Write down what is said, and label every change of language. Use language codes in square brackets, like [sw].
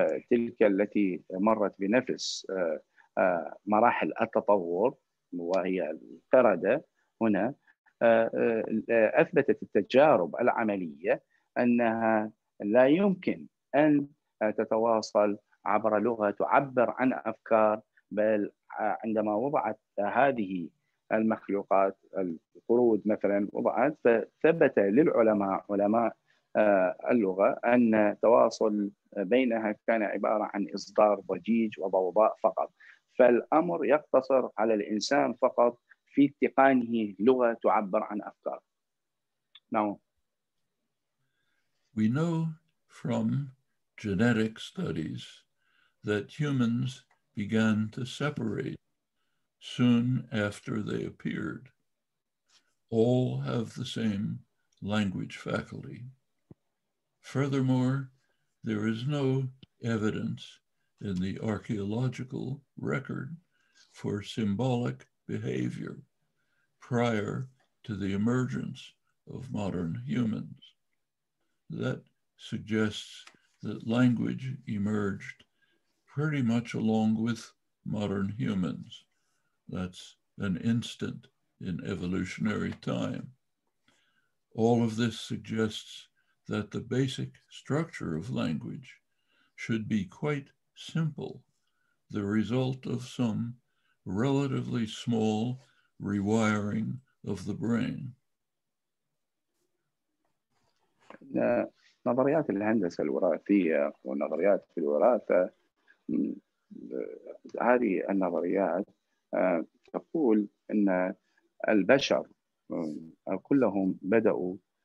[ar] تلك التي مرت بنفس مراحل التطور وهي القردة هنا أثبتت التجارب العملية أنها لا يمكن أن تتواصل عبر لغة تعبر عن أفكار بل عندما وضعت هذه المخلوقات القرود مثلا وضعت فثبت للعلماء علماء اللغة أن تواصل بينها كان عبارة عن إصدار ضجيج وضوضاء فقط فالأمر يقتصر على الإنسان فقط في اتقانه لغة تعبر عن أفكار [en] Now We know from genetic studies that humans began to separate soon after they appeared. All have the same language faculty. Furthermore, there is no evidence in the archaeological record for symbolic behavior prior to the emergence of modern humans. That suggests that language emerged pretty much along with modern humans. That's an instant in evolutionary time. All of this suggests that the basic structure of language should be quite simple, the result of some relatively small rewiring of the brain. [ar] نظريات الهندسة الوراثية والنظريات في الوراثة هذه النظريات تقول أن البشر كلهم بدأوا